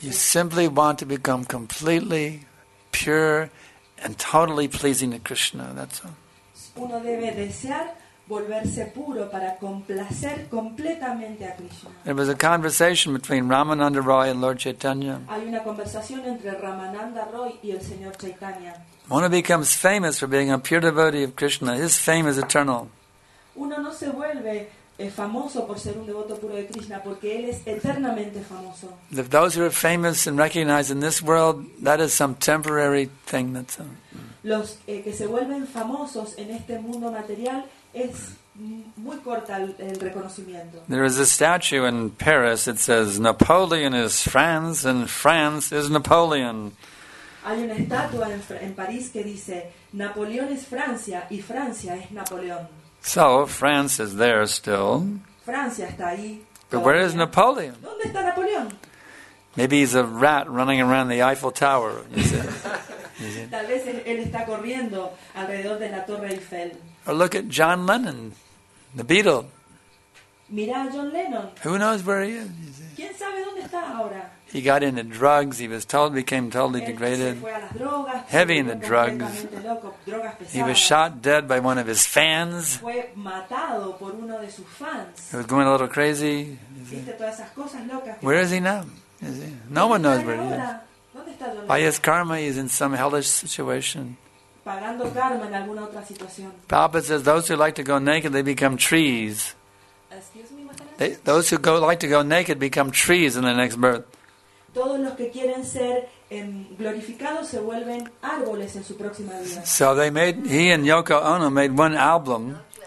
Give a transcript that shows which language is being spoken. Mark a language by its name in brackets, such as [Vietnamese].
[English] You simply want to become completely pure and totally pleasing to Krishna. That's all. [Spanish] Uno debe desear volverse puro para complacer completamente a Krishna. [English] There was a conversation between Ramananda Roy and Lord Chaitanya. [Spanish] Hay una conversación entre Ramananda Roy y el señor Chaitanya. [English] One becomes famous for being a pure devotee of Krishna. His fame is eternal. [Spanish] Uno no se vuelve famoso por ser un devoto puro de Krishna porque él es eternamente famoso. [English] If those who are famous and recognized in this world, that is some temporary thing that's. [Spanish] Los que se vuelven famosos en este mundo material. Es muy corta el reconocimiento. [English] There is a statue in Paris that says Napoleon is France and France is Napoleon. [Spanish] Hay una estatua en París que dice Napoleón es Francia y Francia es Napoleón. [English] So France is there still. [Spanish] Francia está ahí. [English] But where is Napoleon? [Spanish] ¿Dónde está Napoleón? [English] Maybe he's a rat running around the Eiffel Tower. [Spanish] Tal vez él está corriendo alrededor de la Torre Eiffel. [English] Or look at John Lennon, the Beatle. [Spanish] Mira a John Lennon. [English] Who knows where he is? [Spanish] ¿Quién sabe dónde está ahora? [English] He got into drugs. He was told, became totally degraded. [Spanish] Se fue a las drogas, [English] heavy [Spanish] se [English] in the drugs. [Spanish] Loco, drogas pesadas. [English] He was shot dead by one of his fans. [Spanish] Fue matado por uno de sus fans. [English] He was going a little crazy. [Spanish] Todas esas cosas locas [English] where is he now? Is he? No one knows where [Spanish] ahora? ¿Dónde está John Lennon? [English] By his karma, he is in some hellish situation. [Spanish] Pagando karma en alguna otra situación. [English] Prabhupada says those who like to go naked they become trees. Excuse me, those who go like to go naked become trees in their next birth. [Spanish] Todos los que quieren ser glorificados se vuelven árboles en su próxima vida. [English] So they made he and Yoko Ono made one album.